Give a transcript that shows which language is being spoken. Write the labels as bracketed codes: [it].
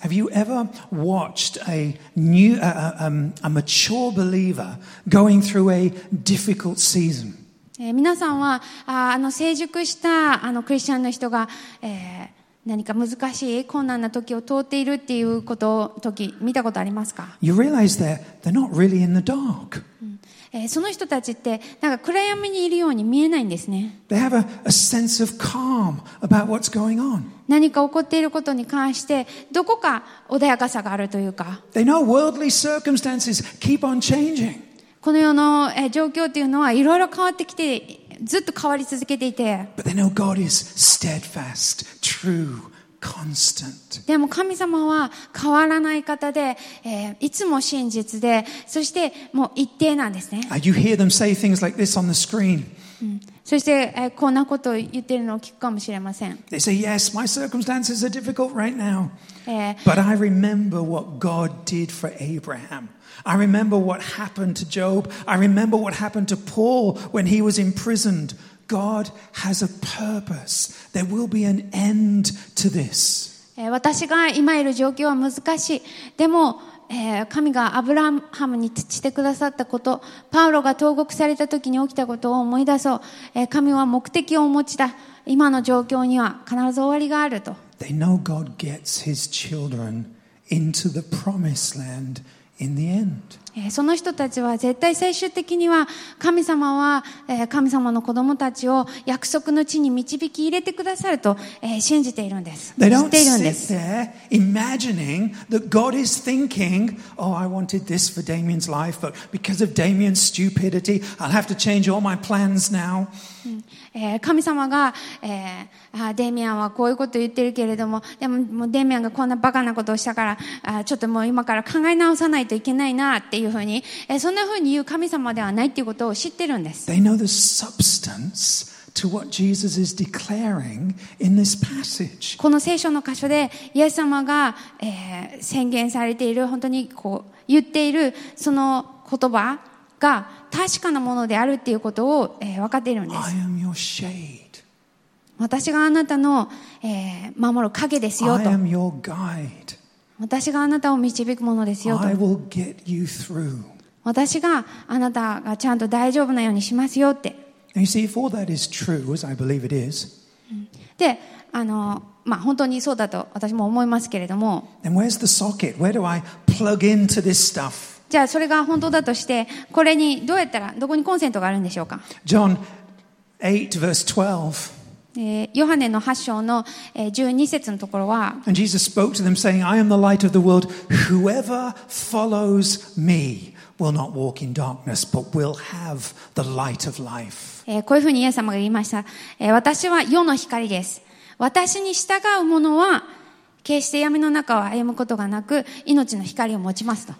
[en] Have you ever watched a mature believer going through a difficult season? [ja] 皆さんは、あの成熟したあのクリスチャンの人が、何か難しい困難な時を通っているっていうことを時見たことありますか。 [en] You realize they're not really in the dark. [ja] その人たちってなんか暗闇にいるように見えないんですね。 [en] They have a sense of calm about what's going on. [ja] 何か起こっていることに関してどこか穏やかさがあるというか。 [en] They know worldly circumstances keep on changing. [ja] この世の状況というのはいろいろ変わってきて。ずっと変わり続けていて。 [en] But they know God is steadfast, true, constant. [ja] でも神様は変わらない方で、いつも真実で、そしてもう一定なんですね。 [en] You hear them say things like this on the screen. [ja] そして、こんなことを言ってるのを聞くかもしれません。 [en] They say, yes, my circumstances are difficult right now. But I remember what God did for Abraham. I remember what happened to Job. I remember what happened to Paul when he was imprisoned. God has a purpose. There will be an end to this. [ja] 私が今いる状況は難しい。でも、神がアブラハムにしてくださったこと、パウロが投獄された時に起きたことを思い出そう。神は目的をお持ちだ。今の状況には必ず終わりがあると。 [en] They know God gets his children into the promised land. In the end. [ja] その人たちは絶対最終的には神様は神様の子供たちを約束の地に導き入れてくださると信じているんです。 [en] They don't sit there imagining that God is thinking, oh, I wanted this for Damien's life, but because of Damien's stupidity, I'll have to change all my plans now. [ja] 神様が、デミアンはこういうことを言ってるけれども、でも、もうデミアンがこんなバカなことをしたから、ちょっともう今から考え直さないといけないなっていうふうに、そんなふうに言う神様ではないっていうことを知ってるんです。 [en] They know the substance to what Jesus is declaring in this passage. [ja] この聖書の箇所で、イエス様が、宣言されている、本当にこう言っているその言葉、が確かなものであるっていうことを、分かっているんです。 [en] I am your shade. [ja] 私があなたの、守る影ですよと。 [en] I am your guide. [ja] 私があなたを導くものですよと。 [en] I will get you through. [ja] 私があなたがちゃんと大丈夫なようにしますよって。 [en] And you see, if all that is true, as I believe it is, [ja] で、まあ、本当にそうだと私も思いますけれども。 [en] Then where's the socket? Where do I plug into this stuff? [ja] じゃあそれが本当だとして、これにどうやったら、どこにコンセントがあるんでしょうか。 [en] John 8 verse 12. [ja] ヨハネの8章の12節のところは、 [en] And Jesus spoke to them saying, I am the light of the world. Whoever follows me will not walk in darkness, but will have the light of life. [ja] こういうふうにイエス様が言いました。私は世の光です。私に従う者は決して闇の中を歩むことがなく命の光を持ちますと。